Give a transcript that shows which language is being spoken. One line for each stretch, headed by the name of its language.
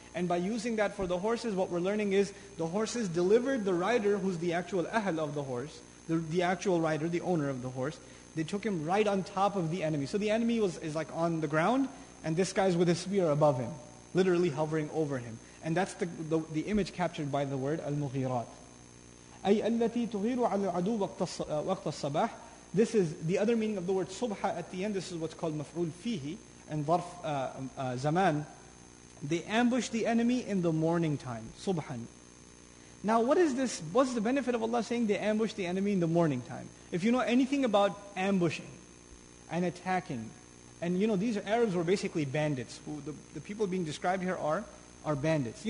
English: And by using that for the horses, what we're learning is the horses delivered the rider, who's the actual ahl of the horse, the actual rider, the owner of the horse, they took him right on top of the enemy. So the enemy is like on the ground, and this guy's with a spear above him, literally hovering over him. And that's the image captured by the word al-mughirat.
Arabic: أي التي تغير على العدو وقت الصباح.
English: This is the other meaning of the word subha at the end. This is what's called maf'ul fihi and dharf zaman. They ambush the enemy in the morning time, subhan. Now what is this, what's the benefit of Allah saying they ambush the enemy in the morning time? If you know anything about ambushing and attacking, and you know these Arabs were basically bandits, who the people being described here are bandits.